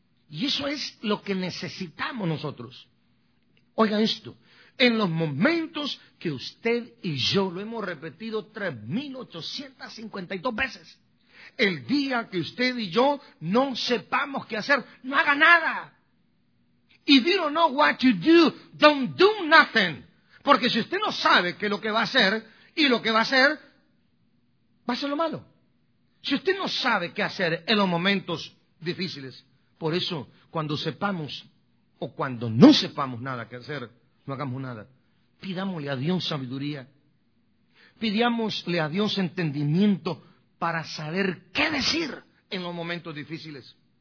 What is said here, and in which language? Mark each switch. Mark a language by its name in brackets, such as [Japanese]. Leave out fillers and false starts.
[Spanish] Y eso es lo que necesitamos nosotros. Oiga esto. En los momentos que usted y yo lo hemos repetido 3,852 veces. El día que usted y yo no sepamos qué hacer, no haga nada. [English] If you don't know what you do, don't do nothing. [Spanish] Porque si usted no sabe qué es lo que va a hacer, y lo que va a hacer, va a ser lo malo. Si usted no sabe qué hacer en los momentos difíciles, por eso, cuando sepamos o cuando no sepamos nada que hacer, no hagamos nada. Pidámosle a Dios sabiduría. Pidámosle a Dios entendimiento para saber qué decir en los momentos difíciles.